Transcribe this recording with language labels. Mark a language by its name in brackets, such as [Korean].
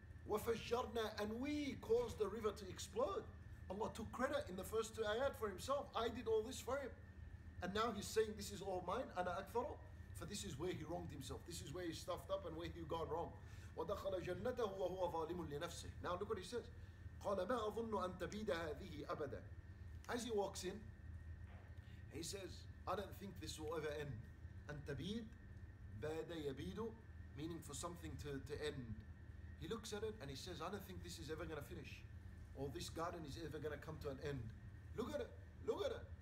[English] وَفَشَّرْنَا, and we caused the river to explode. Allah took credit in the first two ayat for himself. I did all this for him. And now he's saying, this is all mine, [Arabic] أَنَا أَكْثَرُ. [English] For this is where he wronged himself. This is where he stuffed up and where he got wrong. [Arabic] وَدَخَلَ جَنَّتَهُ وَهُوَ ظَالِمٌ لِنَفْسِهِ. [English] Now look what he says. [Arabic] قَالَ مَا أَظُنُّ أَن تَبِيدَ هَذِهِ أَبَدًا. [English] As he walks in, he says, I don't think this will ever end. [Arabic] أَن تَبِيد, بَادَ يَبِيدُ, [English] meaning for something to end. He looks at it and he says, I don't think this is ever going to finish. Or this garden is ever going to come to an end. Look at it. Look at it.